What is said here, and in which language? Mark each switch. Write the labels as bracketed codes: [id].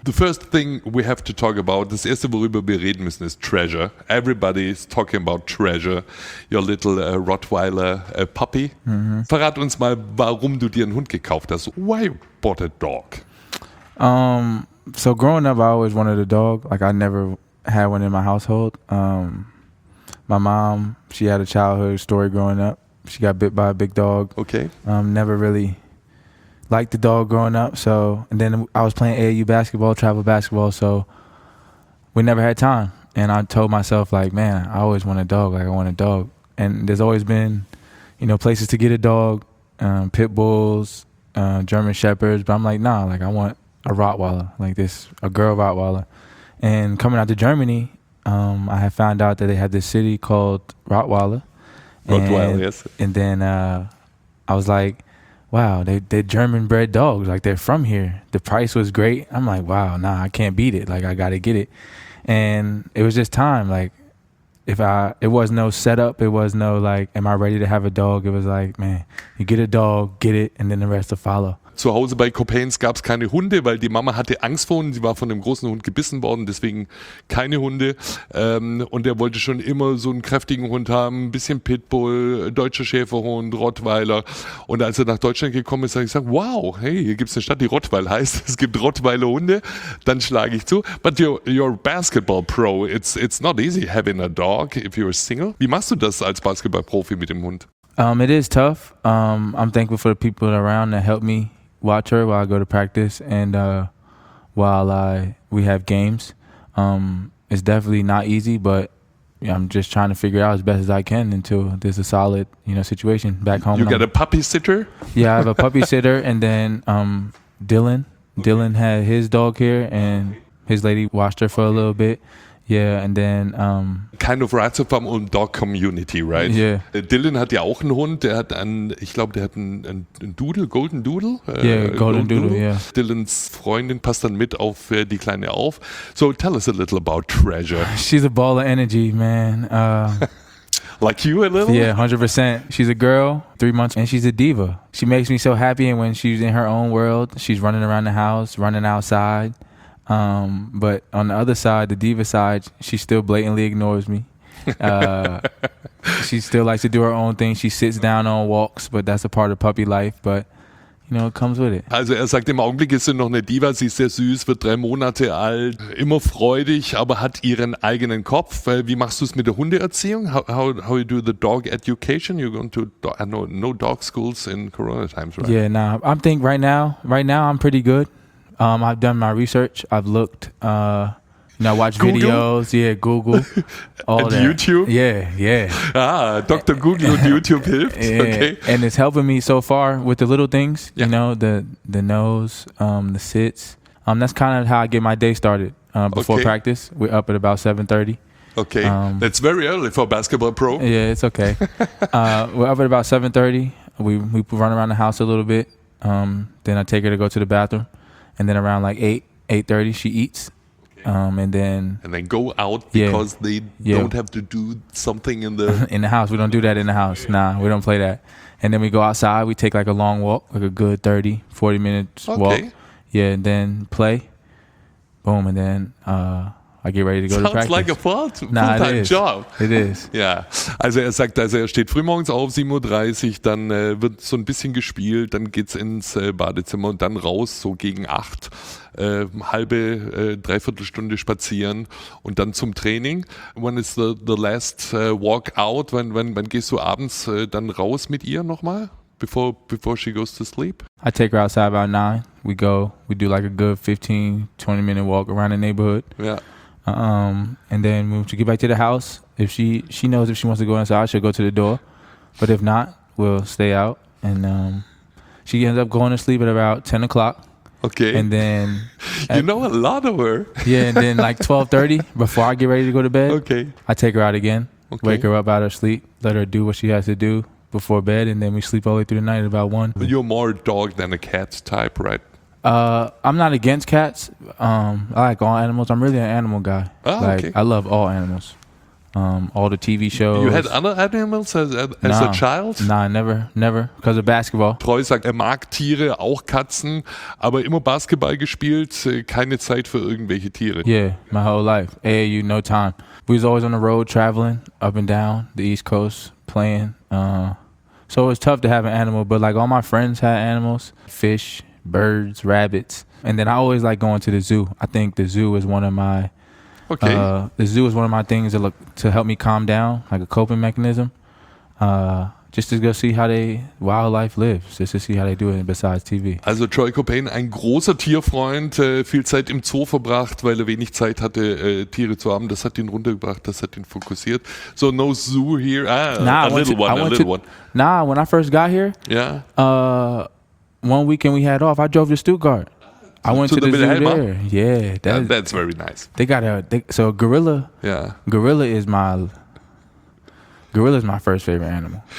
[en] The first thing we have to talk about, [de] das erste, worüber wir reden müssen, ist [en] Treasure. Everybody is talking about Treasure, your little Rottweiler puppy. Mm-hmm. [de] Verrat uns mal, warum du dir einen Hund gekauft hast. [en] Why you bought a dog? So growing up, I always wanted a dog. Like, I never had one in my household. My mom, she had a childhood story growing up. She got bit by a big dog. Okay. Never really liked the dog growing up. So, and then I was playing AAU basketball, travel basketball. So we never had time. And I told myself, like, man, I always want a dog. Like, I want a dog. And there's always been, you know, places to get a dog, pit bulls, German shepherds. But I'm like, nah, like, I want a Rottweiler, like this, a girl Rottweiler. And coming out to Germany, I have found out that they have this city called Rottweiler. Rottweiler, yes. And then I was like, wow, they're German bred dogs. Like, they're from here. The price was great. I'm like, wow, nah, I can't beat it. Like, I got to get it. And it was just time. Like, it was no setup. It was no, like, am I ready to have a dog? It was like, man, you get a dog, get it, and then the rest will follow. [de] Zu Hause bei Copains gab es keine Hunde, weil die Mama hatte Angst vor Hunden. Sie war von einem großen Hund gebissen worden, deswegen keine Hunde. Und er wollte schon immer so einen kräftigen Hund haben, ein bisschen Pitbull, deutscher Schäferhund, Rottweiler. Und als er nach Deutschland gekommen ist, habe ich gesagt, wow, hey, hier gibt es eine Stadt, die Rottweil heißt. Es gibt Rottweiler Hunde. Dann schlage ich zu. [en] But you're a basketball pro. It's not easy having a dog if you're single. [de] Wie machst du das als Basketballprofi mit dem Hund? [en] It is tough. I'm thankful for the people around that help me watch her while I go to practice and while we have games. It's definitely not easy, but yeah, I'm just trying to figure out as best as I can until there's a solid, you know, situation back home. You got a puppy sitter? Yeah, I have a puppy sitter, and then Dylan. Okay. Dylan had his dog here, and his lady watched her for a little bit. Yeah, and then kind of Ratio Farm und Dog Community, right? Yeah. [de] Dylan hat ja auch einen Hund, der hat einen, ich glaube, der hat einen Doodle, Golden Doodle. [en] Yeah, Golden Doodle, yeah. [de] Dylans Freundin passt dann mit auf die Kleine auf. [en] So tell us a little about Treasure. She's a ball of energy, man. like you a little? Yeah, 100%. She's a girl, 3 months, and she's a diva. She makes me so happy, and when she's in her own world, she's running around the house, running outside. But on the other side, the diva side, she still blatantly ignores me. she still likes to do her own thing. She sits down on walks, but that's a part of puppy life. But, you know, it comes with it. [de] Also er sagt, im Augenblick ist sie noch eine Diva. Sie ist sehr süß, wird 3 Monate alt, immer freudig, aber hat ihren eigenen Kopf. Wie machst du es mit der Hundeerziehung? [en] How you do the dog education? You're going to, no dog schools in Corona times, right? Yeah, nah, I think right now I'm pretty good. I've done my research. I've looked, you know, watched Google videos. Yeah, Google. All and that. YouTube? Yeah, yeah. Ah, Dr. Google and YouTube helped. Yeah. Okay. And it's helping me so far with the little things, yeah. You know, the nose, the sits. That's kind of how I get my day started before okay. practice. We're up at about 7:30. Okay. That's very early for a basketball pro. Yeah, it's okay. we're up at about 7:30. We run around the house a little bit. Then I take her to go to the bathroom. And then around like 8:30, she eats. Okay. And then go out because yeah, they yeah. don't have to do something in the... in the house. We don't do that in the house. Yeah. Nah, yeah. We don't play that. And then we go outside. We take like a long walk, like a good 30, 40 minutes okay. walk. Yeah, and then play. Boom. And then I get ready to go Sounds to practice. Sounds like a full-time job. It is. Yeah. [de] Also er sagt, also er steht frühmorgens auf, 7:30 Uhr, dann wird so ein bisschen gespielt, dann geht's ins Badezimmer und dann raus, so gegen 8, halbe, dreiviertel Stunde spazieren und dann zum Training. [en] When is the last walk out? [de] Wann gehst du abends dann raus mit ihr nochmal, [en] before she goes to sleep? I take her outside about 9. We go, we do like a good 15, 20 minute walk around the neighborhood. Yeah. And then when she get back to the house, if she knows if she wants to go inside, she'll go to the door. But if not, we'll stay out. And she ends up going to sleep at about 10 o'clock. Okay. And then... you know a lot of her. Yeah, and then like 12:30, before I get ready to go to bed, okay. I take her out again, okay. Wake her up out of sleep, let her do what she has to do before bed, and then we sleep all the way through the night at about 1. But you're more dog than a cat type, right? I'm not against cats. I like all animals. I'm really an animal guy. Oh, like, okay. I love all animals. All the TV shows. You had other animals as a child? Nein, never, because of basketball. [de] Troy sagt, er mag Tiere, auch Katzen, aber immer Basketball gespielt, keine Zeit für irgendwelche Tiere. [en] Yeah, my whole life, AAU, no time. We was always on the road traveling up and down the East Coast playing. So it was tough to have an animal, but like all my friends had animals, fish, birds, rabbits. And then I always like going to the zoo. I think the zoo is one of my... Okay. The zoo is one of my things to help me calm down, like a coping mechanism, just to go see how they wildlife lives, just to see how they do it besides TV. [de] Also Troy Copain, ein großer Tierfreund, viel Zeit im Zoo verbracht, weil er wenig Zeit hatte, Tiere zu haben. Das hat ihn runtergebracht, das hat ihn fokussiert. [en] So no zoo here, a little one. Nah, when I first got here, yeah. One weekend we had off, I drove to Stuttgart. I went to the zoo Wilhelma? There. Yeah, that's very nice. They got a gorilla. Yeah, gorilla is my first favorite animal.